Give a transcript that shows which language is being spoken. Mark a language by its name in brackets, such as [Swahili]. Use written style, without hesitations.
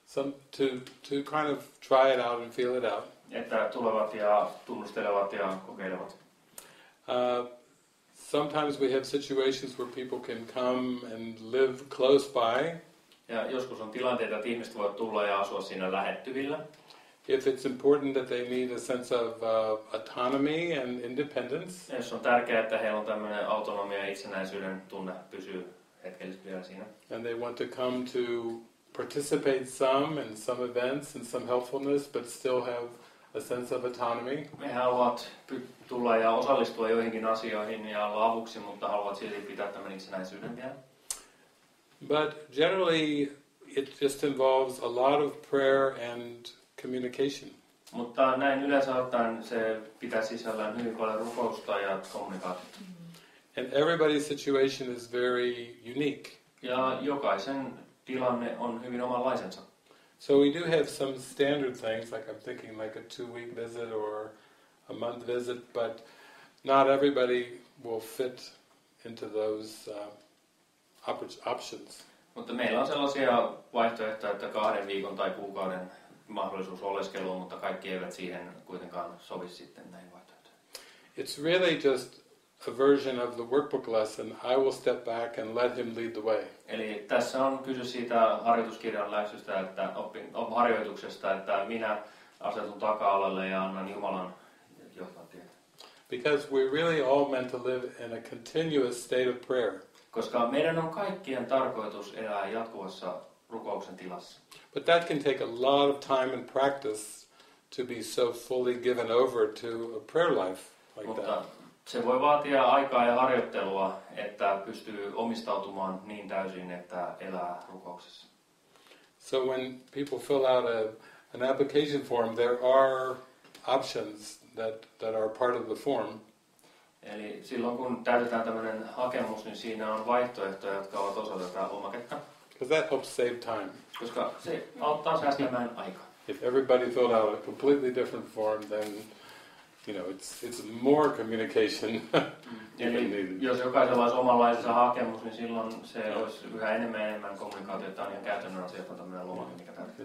[English] To kind of try it out and feel it out. [Finnish] Että tulevat ja tunnustelevat ja kokeilevat. [English] Sometimes we have situations where people can come and live close by. [Finnish] Ja joskus on tilanteita, että ihmiset voivat tulla ja asua siinä lähettyvillä. [English] If it's important that they need a sense of autonomy and independence. [Finnish] Jos on tärkeää, että heillä on tämmöinen autonomia ja itsenäisyyden tunne, pysyy hetkellisesti vielä siinä. [English] And they want to come to participate some in some events and some helpfulness, but still have a sense of autonomy. [Finnish] He haluavat tulla ja osallistua joihinkin asioihin ja olla avuksi, mutta haluavat silti pitää tämän itsenäisyyden vielä. [English] But generally, it just involves a lot of prayer and communication. [Finnish] Mutta näin yleensä ottaen se pitää sisällään hyvin paljon rukousta ja kommunikaatiota. [English] And everybody's situation is very unique. [Finnish] Ja jokaisen tilanne on hyvin omanlaisensa. [English] So we do have some standard things, like I'm thinking like a 2 week visit or a month visit, but not everybody will fit into those options. [Finnish] Mutta meillä on sellaisia vaihtoehtoja, että 2 viikon tai kuukauden mahdollisuus oleskelua, mutta kaikki eivät siihen kuitenkaan sovi sitten näihin vaihtoehtoihin. [English] It's really just a version of the workbook lesson. I will step back and let him lead the way. [Finnish] Eli tässä on kyse siitä harjoituskirjan läksystä, että harjoituksesta, että minä asetun taka-alalle ja annan Jumalan johtaa tietä. [English] Because we're really all meant to live in a continuous state of prayer. [Finnish] Koska meidän on kaikkien tarkoitus elää jatkuvassa rukouksen tilassa. [English] But that can take a lot of time and practice to be so fully given over to a prayer life like [Finnish] mutta [English] that. [Finnish] Se voi vaatia aikaa ja harjoittelua, että pystyy omistautumaan niin täysin, että elää rukouksessa. [English] So when people fill out an application form, there are options that are part of the form. [Finnish] Eli silloin kun täytetään tämmöinen hakemus, niin siinä on vaihtoehtoja, jotka ovat osa tätä lomaketta. [English] Because that helps save time. [Finnish] Koska se auttaa säästämään aikaa. [English] If everybody filled out a completely different form, then you know it's more communication. [Finnish] Jos jokaisella olisi omanlaisensa hakemus, niin silloin se olisi yhä enemmän kommunikaatiota. Tämä on ihan käytännön asia, että tämmöinen lomake, mikä täytyy.